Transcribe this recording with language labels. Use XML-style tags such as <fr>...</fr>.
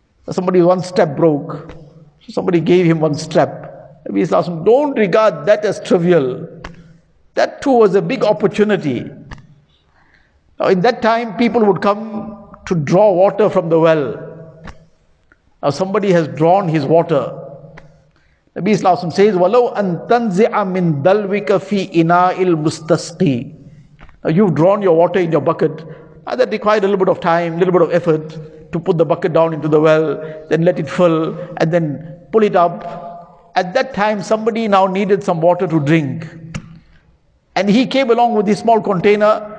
<en>Somebody one strap broke. So somebody gave him one strap. Nabi Sallallahu Alaihi Wasallam, don't regard that as trivial. That too was a big opportunity. Now in that time, people would come to draw water from the well. Now somebody has drawn his water. Nabi Sallallahu Alaihi Wasallam says,</en> <ar>وَلَوْ أَن تَنْزِعَ مِنْ دَلْوِكَ فِي إِنَاءِ الْمُسْتَسْقِي.</ar> <en>Now you've drawn your water in your bucket. Now that required a little bit of time, a little bit of effort to put the bucket down into the well, then let it fill, and then pull it up. At that time, somebody now needed some water to drink. And he came along with this small container.</en>